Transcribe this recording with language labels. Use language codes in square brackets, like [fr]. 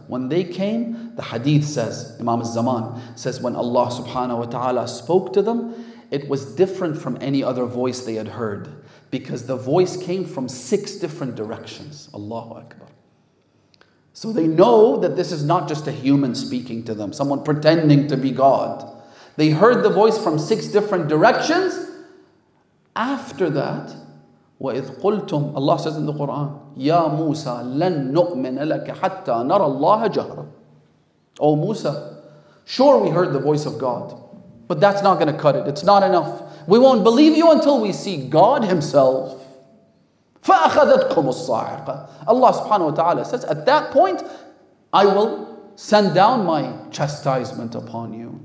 [en] When they came, the hadith says, Imam al-Zaman says, when Allah subhanahu wa ta'ala spoke to them, it was different from any other voice they had heard. Because the voice came from six different directions. Allahu Akbar. So they know that this is not just a human speaking to them, someone pretending to be God. They heard the voice from six different directions. After that, [ar] وَإِذْ قُلْتُمْ, [en] Allah says in the Quran, [ar] يَا مُوسَى لَن نُؤْمِنَ لَكَ حَتَّى نَرَى اللَّهَ جَهْرًا. [en] Oh Musa, sure we heard the voice of God, but that's not going to cut it. It's not enough. We won't believe you until we see God Himself. [ar] فَأَخَذَتْكُمُ الصَّاعِقَةُ [en] Allah subhanahu wa ta'ala says, at that point, I will send down my chastisement upon you.